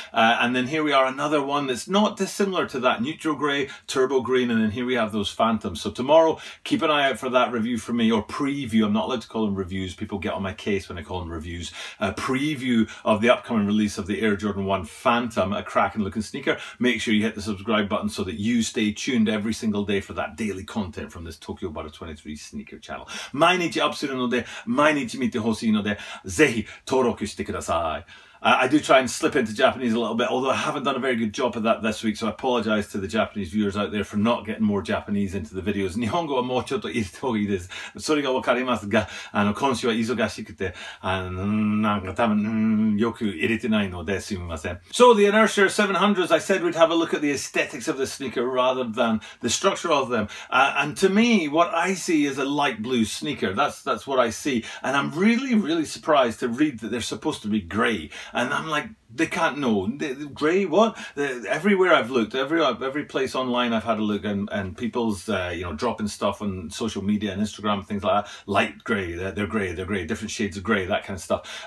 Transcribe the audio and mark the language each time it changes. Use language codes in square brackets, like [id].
[en] And then here we are, another one that's not dissimilar to that Neutral Grey, Turbo Green, and then here we have those Phantoms. So tomorrow, keep an eye out for that review from me, or preview. I'm not allowed to call them reviews. People get on my case when I call them reviews. Preview of the upcoming release of the Air Jordan 1 Phantom, a cracking looking sneaker. Make sure you hit the subscribe button so that you stay tuned every single day for that daily content from this Tokyo Butter 23 sneaker channel. [ja] 毎日アップするので、毎日見てほしいので、ぜひ登録してください。 [en] I do try and slip into Japanese a little bit, although I haven't done a very good job of that this week, so I apologize to the Japanese viewers out there for not getting more Japanese into the videos. [ja] 日本語はもうちょっと言っておいです。それがわかりますが、今週は忙しくて、なんか多分、よく入れてないので、すみません。 [en] So, the Inertia 700s, I said we'd have a look at the aesthetics of the sneaker rather than the structure of them. And to me, what I see is a light blue sneaker. That's what I see. And I'm really, really surprised to read that they're supposed to be grey. And I'm like, they can't know. Grey, what? Everywhere I've looked, every place online I've had a look, and people's, you know, dropping stuff on social media and Instagram, things like that, light grey, they're grey, different shades of grey, that kind of stuff.